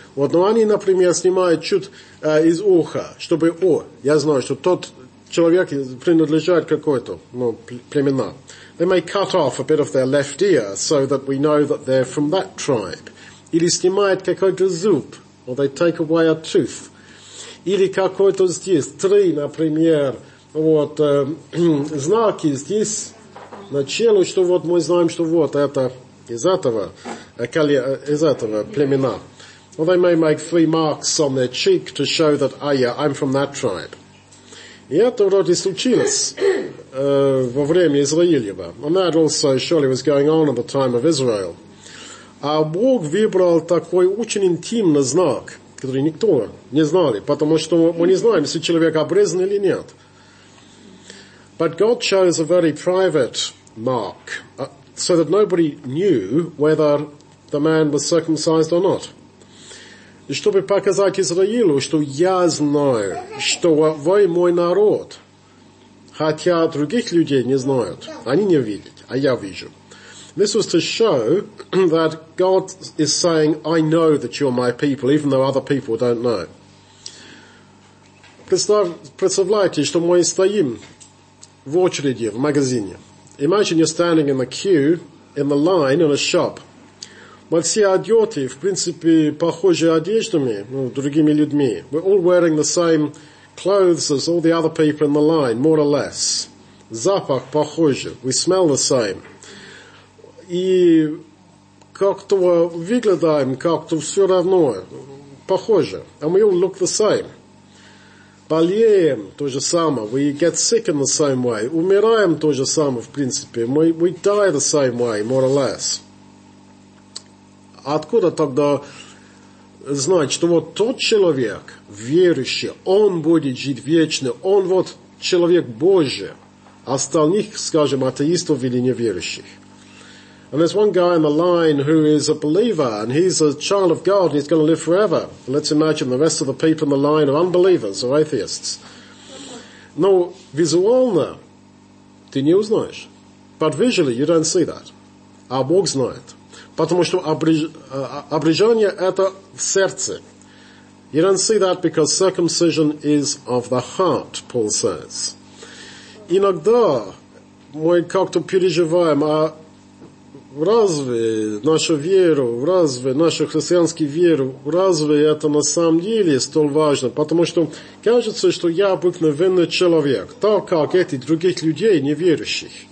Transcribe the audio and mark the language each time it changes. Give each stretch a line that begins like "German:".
Russian: Вот, но они, например, снимают чуть из уха, чтобы, о, я знаю, что тот человек принадлежит какой-то, ну, племена.
English: They may cut off a bit of their left ear so that we know that they're from that tribe.
Russian: Или снимает какой-то зуб,
English: or they take away a tooth.
Russian: Или какой-то здесь, три, например, вот, знаки здесь, на челу, что вот мы знаем, что вот это из этого племена.
English: Or they may make three marks on their cheek to show that, I'm from that tribe.
Russian: И это вроде случилось во время Израилева.
English: And that also surely was going on at the time of Israel.
Russian: А Бог выбрал такой очень интимный знак, который никто не знал, потому что мы не знаем, если человек обрезан или нет.
English: But God chose a very private mark, so that nobody knew whether the man was circumcised or not.
Russian: И чтобы показать Израилю, что я знаю, что вы мой народ, хотя других людей не знают, они не видят, а я вижу.
English: This was to show that God is saying, I know that you're my people, even though other people don't know.
Russian: Представляете, что мы стоим в очереди, в магазине.
English: Imagine you're standing in the queue, in the line, in a shop.
Russian: Мы все одеты, в принципе, похожи одеждами, ну, другими людьми.
English: We're all wearing the same clothes as all the other people in the line, more or less.
Russian: Запах похожий,
English: we smell the same.
Russian: И как-то выглядаем, как-то все равно, похоже.
English: And we all look the same.
Russian: Болеем то же самое.
English: We get sick in the same way.
Russian: Умираем то же самое, в принципе.
English: We die the same way, more or less.
Russian: Откуда тогда знать, что вот тот человек верующий, он будет жить вечно, он вот человек Божий, остальных, скажем, атеистов или неверующих.
English: And there's one guy on the line who is a believer, and he's a child of God, and he's going to live forever. Let's imagine the rest of the people in the line are unbelievers or atheists.
Russian: Но визуально ты не узнаешь.
English: But visually you don't see that.
Russian: А Бог знает. Потому что обрежение это в сердце.
English: You don't see that because circumcision is of the heart, Paul says.
Russian: Иногда мы как-то переживаем, а разве нашу веру, разве нашу христианскую веру, разве это на самом деле столь важно? Потому что кажется, что я обыкновенный человек, так как эти других людей, неверующих.